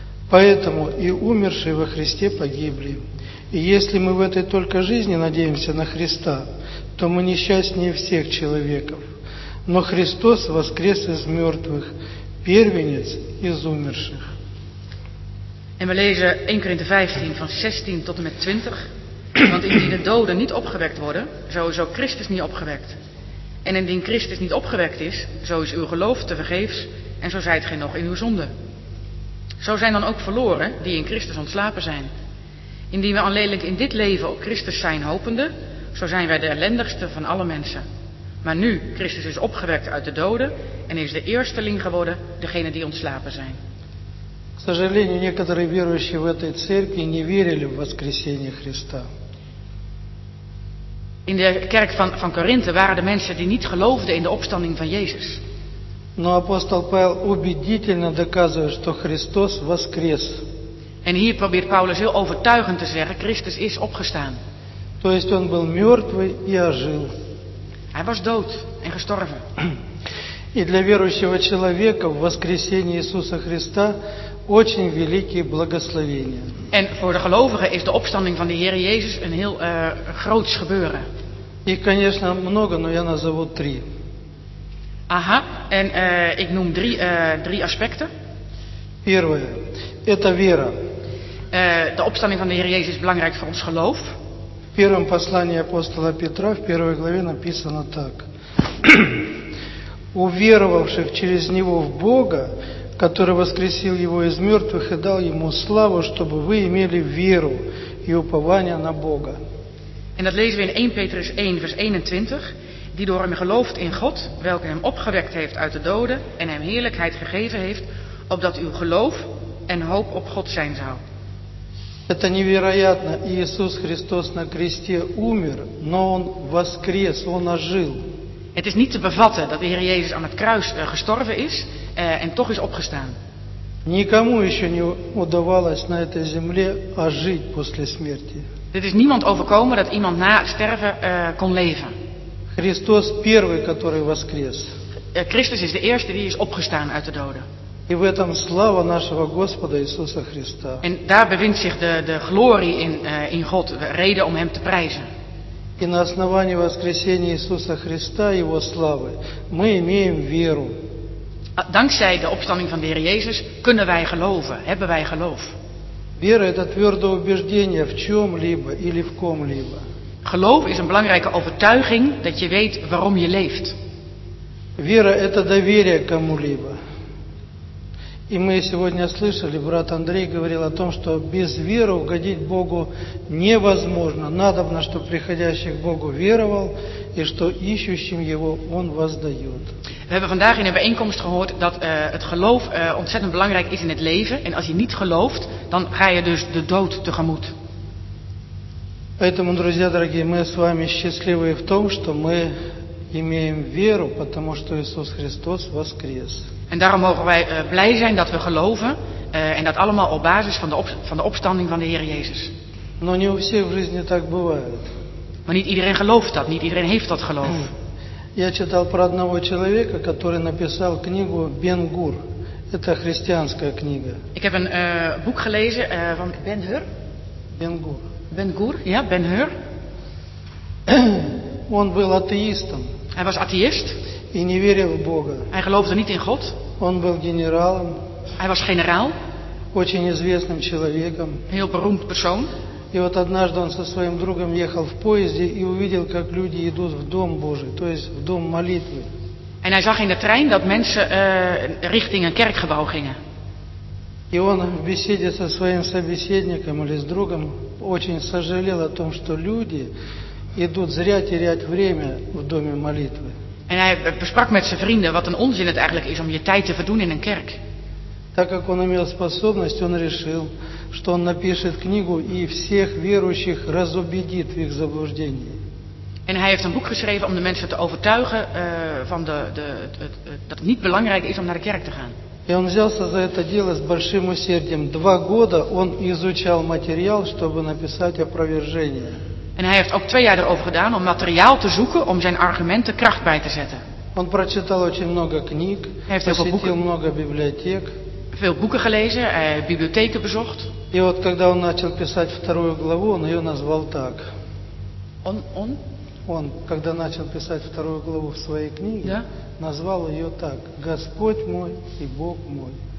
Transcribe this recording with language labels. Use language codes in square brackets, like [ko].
[ru] Поэтому и умершие во Христе погибли. И если мы в этой только жизни надеемся на Христа, то мы несчастнее всех человеков. Но Христос воскрес из мертвых, первенец из умерших. [nl] En we lezen 1 Korinthe 15 van 16 tot en met 20. Want indien de doden niet opgewekt worden, zo is ook Christus niet opgewekt. En indien Christus niet opgewekt is, zo is uw geloof tevergeefs en zo zijt gij nog in uw zonde. Zo zijn dan ook verloren die in Christus ontslapen zijn. Indien we alleenlijk in dit leven op Christus zijn hopende, zo zijn wij de ellendigste van alle mensen. Maar nu, Christus is opgewekt uit de doden en is de eersteling geworden, degene die ontslapen zijn. [ru] К сожалению, некоторые верующие в этой церкви не верили в воскресение Христа. [nl] In de kerk van Korinthe waren de mensen die niet geloofden in de opstanding van Jezus. [ru] Но апостол Павел убедительно доказывает, что Христос воскрес. [nl] En hier probeert Paulus heel overtuigend te zeggen: Christus is opgestaan. [ru] То есть он был мертвый и ожил. [nl] Hij was dood en gestorven. [ru] И для верующего человека в воскресение Иисуса Христа очень великие благословения. [nl] En voor de gelovigen is de opstanding van de Heer Jezus een heel groots gebeuren. [ru] Их, конечно, много, но я назову три. [nl] Aha, en ik noem drie aspecten. [ru] Первое, это вера. [nl] De opstanding van de Heer Jezus is belangrijk voor ons geloof. [ru] В первом послании апостола Петра, в первой главе написано так. Уверовавших через него в Бога, который воскресил его из мертвых и дал ему славу, чтобы вы имели веру и упование на Бога. [nl] En dat lezen we in 1 Petrus 1, vers 21. Die door hem gelooft in God, welke hem opgewekt heeft uit de doden en hem heerlijkheid gegeven heeft, opdat uw geloof en hoop op God zijn zou. [ru] Это невероятно. Иисус Христос на кресте умер, но он воскрес, он ожил. [nl] Het is niet te bevatten dat de Heer Jezus aan het kruis gestorven is en toch is opgestaan. [ru] Никому еще не удавалось на этой земле ожить после смерти. [nl] Het is niemand overkomen dat iemand na het sterven kon leven. [ru] Христос первый, который воскрес. [nl] Christus is de eerste die is opgestaan uit de doden. [ru] И в этом слава нашего Господа Иисуса Христа. [nl] En daar bevindt zich de glorie in God, de reden om hem te prijzen. [ru] И на основании воскресения Иисуса Христа и Его славы мы имеем веру. [nl] Dankzij de opstanding van de Heer Jezus kunnen wij geloven, hebben wij geloof. [ru] Вера – это твердое убеждение в чем-либо или в ком-либо. [nl] Geloof is een belangrijke overtuiging dat je weet waarom je leeft. [ru] Вера – это доверие кому-либо. И мы сегодня слышали, брат Андрей говорил о том, что без веры угодить Богу невозможно. Надобно, чтобы приходящий к Богу веровал, и что ищущим Его Он воздает. [nl] We hebben vandaag in een bijeenkomst gehoord dat het geloof ontzettend belangrijk is in het leven. En als je niet gelooft, dan ga je dus de dood tegemoet. [ru] Поэтому, друзья дорогие, мы с вами счастливы в том, что мы имеем веру, потому что Иисус Христос воскрес. [nl] En daarom mogen wij blij zijn dat we geloven. En dat allemaal op basis van de opstanding van de Heer Jezus. [ru] Но не у всех в жизни так бывает. [nl] Maar niet iedereen gelooft dat. Niet iedereen heeft dat geloof. [ru] Я читал про одного человека, который написал книгу «Бен-Гур». Это христианская книга. [nl] Ik heb een boek gelezen van Бен-Гур. [ru] Бен-Гур. [nl] Бен-Гур, ja, Бен-Гур. [ru] Он был атеистом. [nl] Hij was atheïst. [ru] И не верил в Бога. [nl] Hij geloofde niet in God. [ru] Он был генералом. [nl] Hij was generaal. [ru] Очень известным человеком. [nl] Heel beroemd persoon. [ru] И вот однажды он со своим другом ехал в поезде и увидел, как люди идут в дом Божий, то есть в дом молитвы. [nl] En hij zag in de trein dat mensen richting een kerkgebouw gingen. [ru] И он в беседе со своим собеседником или с другом очень сожалел о том, что люди идут зря терять время в доме молитвы. [nl] En hij besprak met zijn vrienden wat een onzin het eigenlijk is om je tijd te verdoen in een kerk. [ru] Так как он имел способность, он решил, что он напишет книгу и всех верующих разубедит в их заблуждении. [nl] En hij heeft een boek geschreven om de mensen te overtuigen van dat het niet belangrijk is om naar de kerk te gaan. [ru] И он взялся за это дело с большим усердием. 2 года он изучал материал, чтобы написать опровержение. [nl] En hij heeft ook 2 jaar erover gedaan om materiaal te zoeken om zijn argumenten kracht bij te zetten. [ru] Он прочитал очень много книг, посетил много библиотек. [nl] Veel boeken gelezen, bibliotheken bezocht. [ru] И вот когда он начал писать вторую главу, он ее назвал так. Он, когда начал писать вторую главу в своей книге, да? Назвал ее так: Господь мой и Бог мой.